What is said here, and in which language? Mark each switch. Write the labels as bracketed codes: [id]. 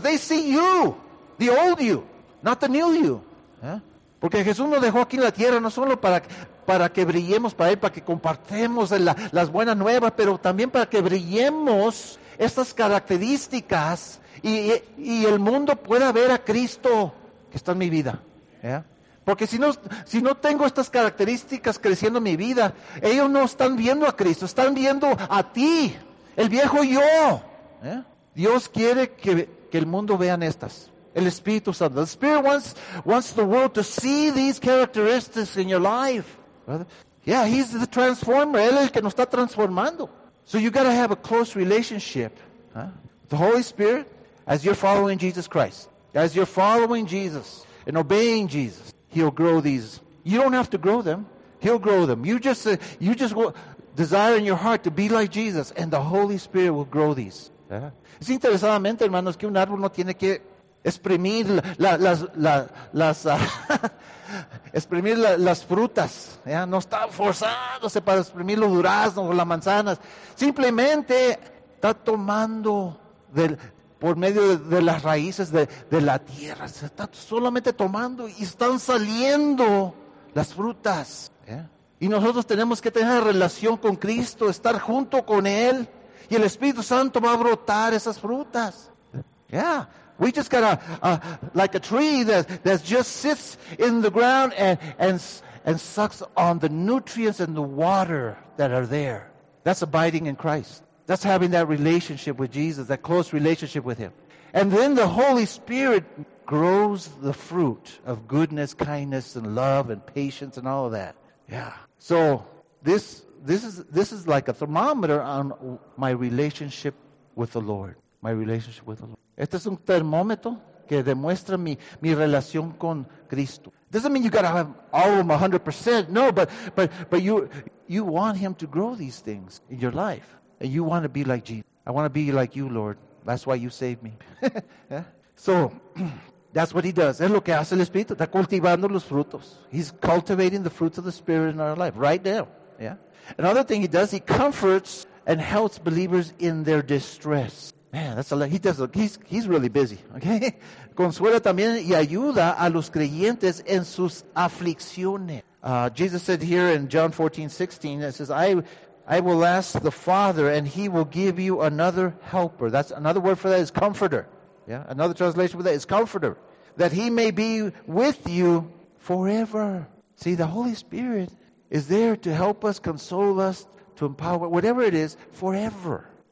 [en] They see you, the old you, not the new you. ¿Eh? [es] Porque Jesús nos dejó aquí en la tierra no solo para que brillemos para Él, para que compartamos las buenas nuevas, pero también para que brillemos estas características y el mundo pueda ver a Cristo que está en mi vida. ¿Eh? Porque si no tengo estas características creciendo en mi vida, ellos no están viendo a Cristo, están viendo a ti. El viejo yo. ¿Eh? Dios quiere que el mundo vean estas. El Espíritu Santo. [en] The Spirit wants the world to see these characteristics in your life. Yeah, He's the transformer. [es] Él es el que nos está transformando. [en] So you got to have a close relationship. Huh? The Holy Spirit, as you're following Jesus Christ, as you're following Jesus and obeying Jesus, He'll grow these. You don't have to grow them. He'll grow them. You just go. Desire in your heart to be like Jesus, and the Holy Spirit will grow these. Uh-huh. [es] Es interesadamente, hermanos, que un árbol no tiene que exprimir las frutas. ¿Ya? No está forzándose para exprimir los duraznos o las manzanas. Simplemente está tomando por medio de las raíces de la tierra. Se está solamente tomando y están saliendo las frutas. ¿Ya? Y nosotros tenemos que tener relación con Cristo, estar junto con Él. Y el Espíritu Santo va a brotar esas frutas. [en] Yeah, we just got like a tree that just sits in the ground and sucks on the nutrients and the water that are there. That's abiding in Christ. That's having that relationship with Jesus, that close relationship with Him. And then the Holy Spirit grows the fruit of goodness, kindness, and love, and patience, and all of that. Yeah. So this is like a thermometer on my relationship with the Lord. My relationship with the Lord. [es] Este es un termómetro que demuestra mi relación con Cristo. [en] Doesn't mean you gotta have all of them 100%. No, but you want Him to grow these things in your life, and you want to be like Jesus. I want to be like you, Lord. That's why you saved me. So that's what He does. [es] Es lo que hace el Espíritu. Está cultivando los frutos. [en] He's cultivating the fruits of the Spirit in our life right now. Yeah. Another thing He does, He comforts and helps believers in their distress. Man, that's a lot. He's really busy. Okay. [es] Consuela también y ayuda a los creyentes en sus aflicciones. [en] Jesus said here in John 14:16, it says, I will ask the Father and He will give you another helper. That's another word for that is comforter. Yeah, another translation with that is comforter, that He may be with you forever. See, the Holy Spirit is there to help us, console us, to empower, whatever it is, forever.